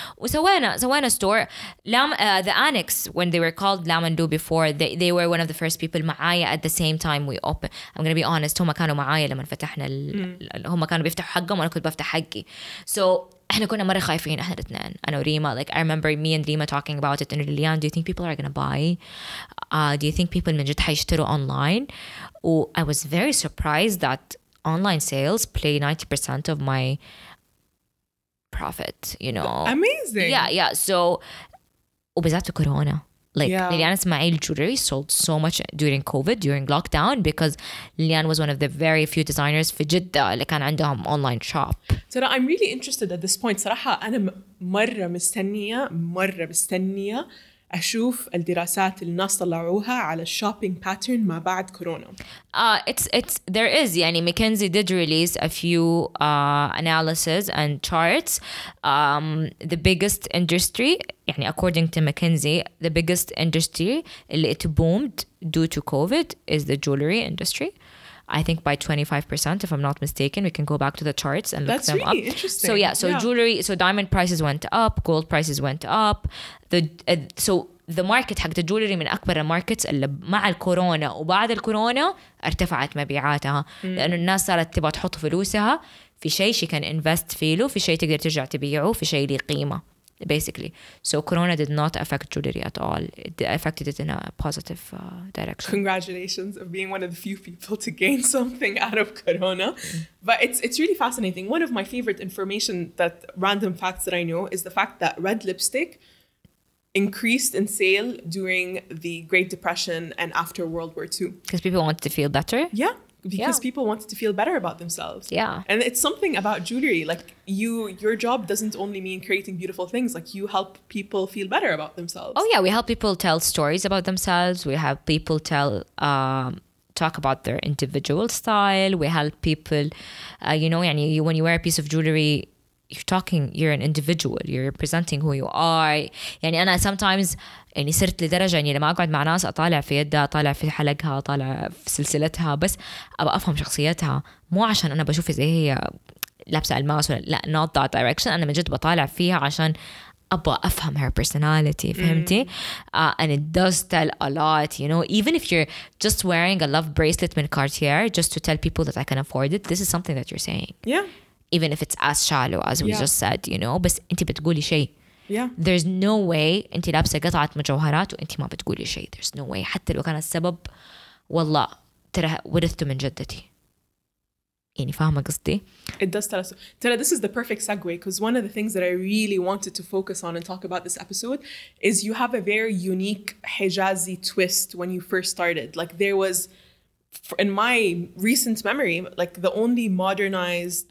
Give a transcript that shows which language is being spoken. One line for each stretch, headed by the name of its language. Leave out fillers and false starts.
Arabic: وسوينا
English: store the Annex, when they were called Lamandu before, they were one of the first people معايا at the same time we open. I'm gonna be honest,
Arabic: هما كانوا معايا لما فتحنا هما كانوا بيفتحوا حقهم وأنا كنت بفتح حقي. So إحنا كنا مرة خايفين إحنا الاثنين, أنا وريما.
English: Like I remember me and Rima talking about it, and Lillian, do you think people are gonna buy? Do you think people
Arabic: من جد حيشتروا
English: online? و I was very surprised that online sales play 90% of my profit, you know. Amazing. Yeah, yeah. So,
Arabic: وبذات في كورونا.
English: Like, yeah. Lillian Ismail jewelry sold so much during COVID, during lockdown, because Lillian was one of the very few designers for Jeddah, like, and
Arabic: عندهم
English: online shop. So I'm really interested at this point.
Arabic: صراحة أنا مرة مستنية, مرة مستنية أشوف الدراسات الناس طلعوها على shopping pattern ما بعد كورونا.
English: It's there is, يعني McKinsey did release a few analysis and charts. The biggest industry, يعني according to McKinsey, the biggest industry اللي it boomed due to COVID is the jewelry industry. I think by 25%, if I'm not mistaken. We can go back to the charts and look them up. That's really interesting. So yeah, jewelry, so diamond prices went up, gold prices went up. The market,
Arabic: حق the jewelry من أكبر markets اللي مع الكورونا وبعد الكورونا ارتفعت مبيعاتها. لأنه الناس صارت تبغى تحط فلوسها في شيء
English: she can invest
Arabic: فيه له, في شيء تقدر ترجع تبيعه, في شيء لي قيمة.
English: Basically, so Corona did not affect jewelry at all. It affected it in a positive direction. Congratulations of being one of the few people to gain something out of Corona. But it's really fascinating. One of my favorite information, that random facts that I know, is the fact that red lipstick increased in sale during the Great Depression and after World War II. Because people wanted to feel better? Yeah. Because people wanted to feel better about themselves. Yeah. And it's something about jewelry. Like, your job doesn't only mean creating beautiful things. Like, you help people feel better about themselves. Oh, yeah. We help people tell stories about themselves. We have people talk about their individual style. We help people, when you wear a piece of jewelry, you're talking, you're an individual. You're presenting who you are.
Arabic: يعني أنا
English: sometimes...
Arabic: يعني صرت لدرجة يعني لما أقعد مع ناس أطالع في يدها, أطالع في حلقها, أطالع في سلسلتها, بس أبغى أفهم شخصيتها, مو عشان أنا بشوف إذا هي لابسة ألماس ولا لا,
English: not that direction.
Arabic: أنا من جد بطالع فيها عشان أبغى أفهم
English: her personality,
Arabic: فهمتي.
English: And it does tell a lot, you know, even if you're just wearing a love bracelet من Cartier just to tell people that I can afford it, this is something that you're saying. Yeah. Even if it's as shallow as we just said, you know,
Arabic: بس أنت بتقولي شيء.
English: Yeah. There's no way
Arabic: انتي لابسة قطعة مجوهرات وانتي ما بتقولي شيء.
English: There's no way.
Arabic: حتى لو كان السبب والله ترى ورثته من جدتي. يعني فاهمة قصدي؟
English: It does tell us. ترى this is the perfect segue, because one of the things that I really wanted to focus on and talk about this episode is you have a very unique Hijazi twist when you first started. Like, there was, in my recent memory, like the only modernized...